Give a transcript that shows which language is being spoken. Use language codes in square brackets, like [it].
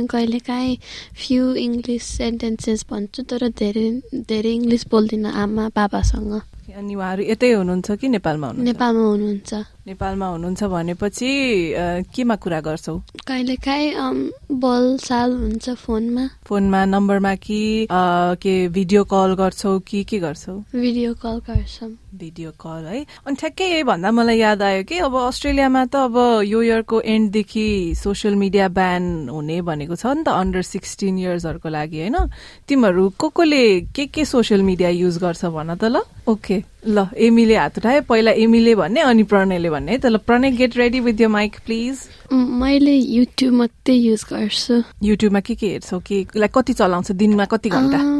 [ne] कहिले काहीँ few English sentences भन्छु, तर धेरै इङ्ग्लिस बोल्दिनँ आमा बाबासँग। अनि उहाँहरू यतै हुनुहुन्छ कि नेपालमा हुनुहुन्छ? नेपालमा हुनुहुन्छ। नेपालमा हुनुहुन्छ भनेपछि केमा कुरा गर्छौ? कहिले काहीँ बोलचाल हुन्छ फोनमा, फोनमा नम्बरमा कि के भिडियो कल गर्छौ कि के गर्छौ? भिडियो कल गर्छौ। भिडियो कल है। अनि ठ्याक्कै यही भन्दा मलाई याद आयो कि अब अस्ट्रेलियामा त अब यो इयरको एन्डदेखि सोसियल मीडिया ब्यान हुने भनेको छ नि त अन्डर 16 इयर्सहरूको लागि, होइन? तिमीहरू को कोले के सोसियल मीडिया युज गर्छ भन त ल। ओके, ल एमीले हात उठायो, पहिला एमीले भन्ने अनि प्रणयले भन्ने है। त ल Pranay, [en] Get ready with your mic please. [ne] मैले युट्युब मात्रै युज गर्छु। युट्युबमा के के हेर्छौ कि, लाइक कति चलाउँछ दिनमा, कति घन्टा?